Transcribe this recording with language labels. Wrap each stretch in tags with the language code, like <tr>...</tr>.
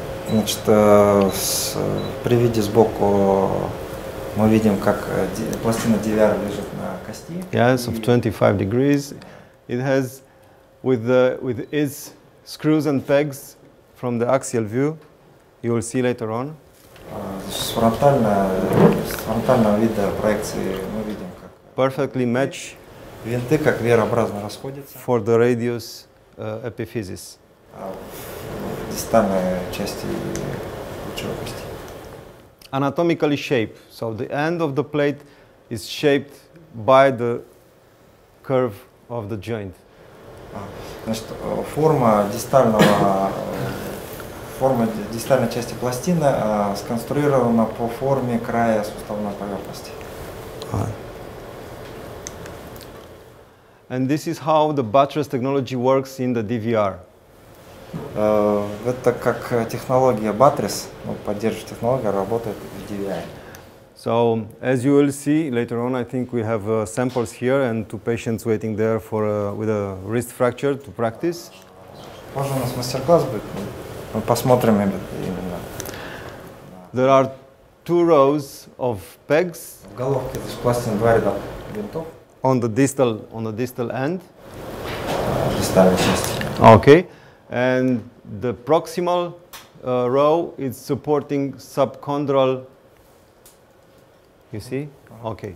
<ru>Значит, при виде сбоку мы видим, как пластина DVR лежит на кости.</ru> <en>Yes, of 25 degrees. It has with its screws and pegs from the axial view. You will see later on.</en> <ru>С фронтального вида проекции мы видим, как</ru> <en>perfectly match</en> <ru>винты как V-образно расходятся</ru> <en>for the radius epiphysis.</en> <ru>Дистальной части лучевой кости.</ru> <en>Anatomically shaped, so the end of the plate is shaped by the curve of the joint.</en> <ru>Значит, форма дистальной части пластины сконструирована по форме края суставной поверхности.</ru> <en>And this is how the buttress technology works in the DVR.</en> <ru>Это как технология Buttress, ну, поддерживает технологию, работает в DVI.</ru> <en>So, as you will see later on, I think we have samples here and two patients waiting there for with a wrist fracture to practice.</en> <ru>Позже у нас мастер-класс будет, мы посмотрим именно.</ru> <en>There are two rows of pegs.</en> <ru>В головке здесь пластины, два ряда винтов.</ru> <en>On the distal end.</en> <ru>Дистальная часть.</ru> <en>Okay. And the proximal row is supporting subchondral. You see? Okay.</en>